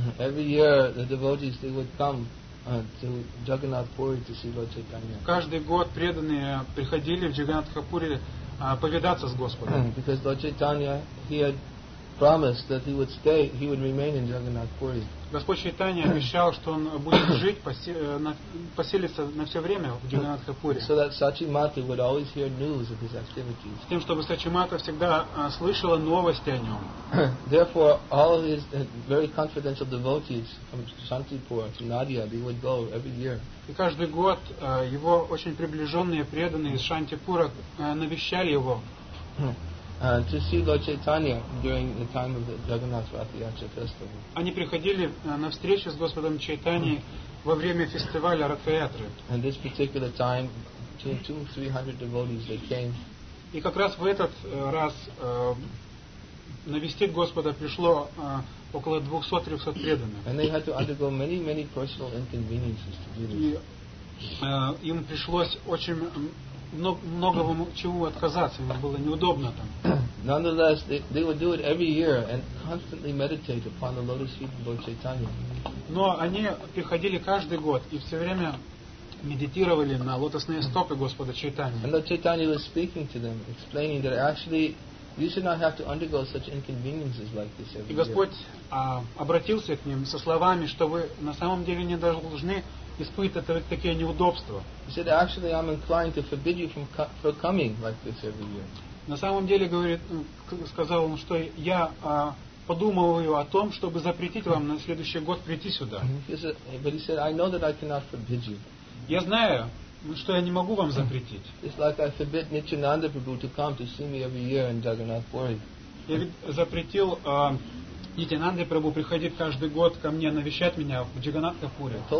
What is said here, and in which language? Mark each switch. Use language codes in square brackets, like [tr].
[en] Every year the devotees they would come to Jagannath Puri to see Lord Chaitanya. [ru] Каждый год преданные приходили в Джаганнатхапури повидаться с Господом. [en] Because Lord Chaitanya he had promised that he would stay, he would remain in Jagannath Puri. [ru] Господь Чайтанья обещал, что он будет жить, поселиться на все время в Джаганнатхапури. [en] So that Сачимати would always hear news of his activities. [ru] С тем, чтобы Сачимата всегда слышала новости о нем. [en] Therefore, all of his very confidential devotees from Shantipur to Nadia, they would go every year. [ru] И каждый год его очень приближенные преданные из Шантипура навещали его. [en] To see Lord Chaitanya during the time of the Jagannath Rath Yatra festival. [ru] Они приходили на встречу с Господом Чайтаньей во время фестиваля Ратхаятры. [en] And this particular time, between 200-300 devotees they came. [ru] И как раз в этот раз навестить Господа пришло около 200-300 преданных. [en] And they had to undergo many, many personal inconveniences to do this. [ru] И им пришлось очень много чему отказаться, им было неудобно там. [en] Nonetheless, they would do it every year and constantly meditate upon the lotus feet of Lord Chaitanya. [ru] Но они приходили каждый год и все время медитировали на лотосные стопы Господа Чайтаньи. [en] And Lord Chaitanya was speaking to them, explaining that actually you should not have to undergo such inconveniences like this every year. [ru] И Господь обратился к ним со словами, что вы на самом деле не должны испытывать такие неудобства. [en] He said, actually, I'm inclined to forbid you from coming like this every year. [ru] На самом деле, говорит, сказал он, что я подумываю о том, чтобы запретить вам на следующий год прийти сюда. [en] But he said, I know that I cannot forbid you. [ru] Я знаю, что я не могу вам запретить. [en] It's like I forbid Nityananda Prabhu to come to see me every year in Jagannath Puri. [ru] Я ведь запретил Нитянанде Прабху приходит каждый год ко мне навещать меня в Джаганнатхапуре.